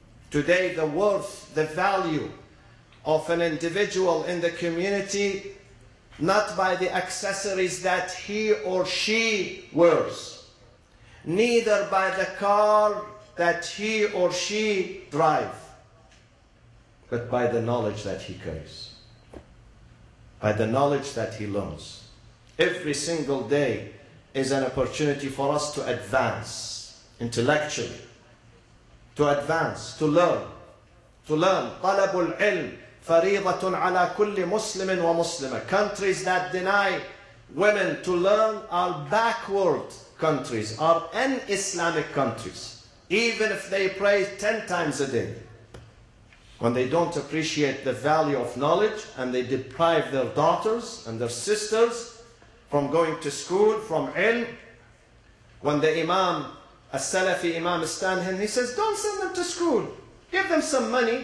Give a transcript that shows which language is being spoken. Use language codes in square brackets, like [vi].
[en] Today the worth, the value of an individual in the community, not by the accessories that he or she wears, neither by the car that he or she drives, but by the knowledge that he carries, by the knowledge that he learns. Every single day is an opportunity for us to advance intellectually, to advance, to learn. [ar] طلب العلم فريضة على كل مسلم ومسلمة. [en] Countries that deny women to learn are backward countries, are un-Islamic countries, even if they pray 10 times a day. When they don't appreciate the value of knowledge and they deprive their daughters and their sisters from going to school, from ilm, when the imam, a Salafi imam, stands and he says, don't send them to school. Give them some money.